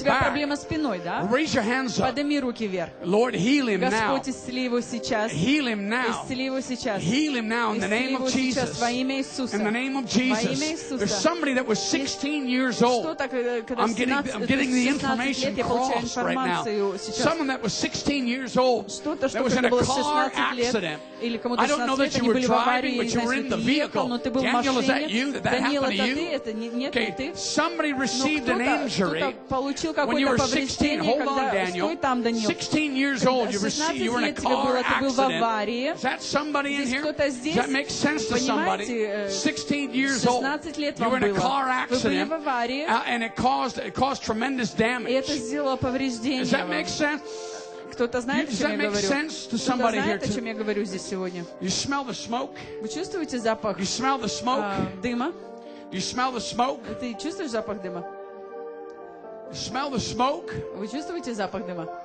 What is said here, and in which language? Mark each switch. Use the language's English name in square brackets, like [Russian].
[Russian] У тебя проблема с спиной, да? [English] Raise your hands up. [Russian] Подними руки вверх. [English] Lord, heal him [Russian] Господь, [English] now. [Russian] Господь, исцели его сейчас. [English] Heal him now. [Russian] Исцели его сейчас. [English] Heal him now in the name of Jesus. [Russian] Во имя Иисуса. [English] In the name of Jesus. [Russian] Во имя Иисуса. [English] There's somebody that was 16 years old. I'm getting the information crossed right now. Someone that was 16 years old that was in a car accident. I don't know that you were driving, but you were in the vehicle. Daniel, is that you? Did that happen to you? Okay. Somebody received an injury when you were 16. Hold on, Daniel. 16 years old, you were in a car accident. Is that somebody in here? Does that make sense to somebody? 16 years old, you were in a car accident, and it caused tremendous damage. Does that make sense? [Russian] Кто-то знает, о чем я говорю? Кто-то знает, о чем я говорю здесь сегодня? [English] You smell the smoke? [Russian] Вы чувствуете запах дыма? [English] You smell the smoke? [Russian] Ты чувствуешь запах дыма? [English] You smell the smoke? [Russian] Вы чувствуете запах дыма?